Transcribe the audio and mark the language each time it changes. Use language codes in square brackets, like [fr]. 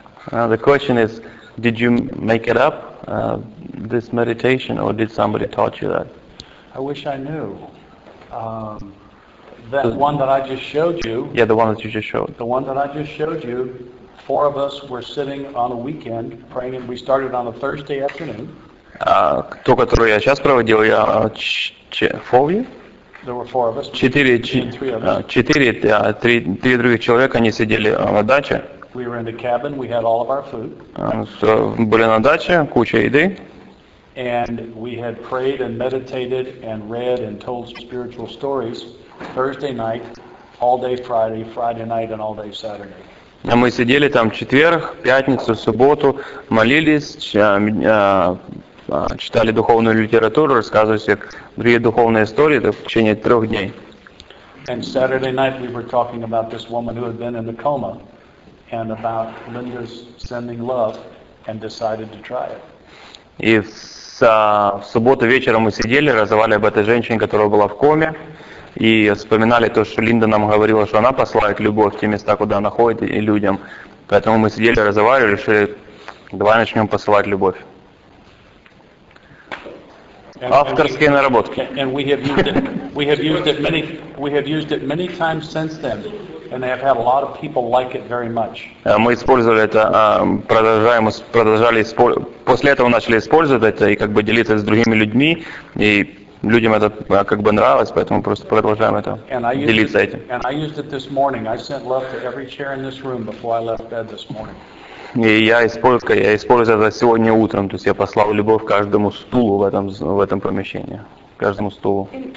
[en] The question is, did you make it up, this meditation, or did somebody taught you that? I wish I knew. That one that I just showed you. Yeah, the one that you just showed. The one that I just showed you, four of us were sitting on a weekend praying, and we started on a Thursday afternoon. [ru] То, которое я сейчас проводил, я [en] four of There were four of us. [ru] Четыре других человека, они сидели на даче. [en] We were in the cabin. We had all of our food. [ru] Были на даче, куча еды. [en] And we had prayed and meditated and read and told spiritual stories Thursday night, all day Friday, Friday night, and all day Saturday. [ru] А мы сидели там четверг, пятницу, субботу, молились, читали духовную литературу, рассказывали себе другие духовные истории в течение трех дней. [en] And Saturday night we were talking about this woman who had been in the coma and about Linda's sending love and decided to try it. [ru] И в субботу вечером мы сидели, разговаривали об этой женщине, которая была в коме, и вспоминали то, что Линда нам говорила, что она посылает любовь в те места, куда она ходит, и людям. Поэтому мы сидели, разговаривали, решили, давай начнем посылать любовь. Авторские наработки. [en] And we have used it many times since then, and they have had a lot of people like it very much. [ru] Мы использовали это, продолжали после этого начали использовать это и как бы делиться с другими людьми, и людям это как бы нравилось, поэтому просто продолжаем это делиться этим. [en] And I used it this morning. I sent love to every chair in this room before I left bed this morning. [ru] И я использую это сегодня утром, то есть я послал любовь каждому стулу в этом помещении, каждому стулу.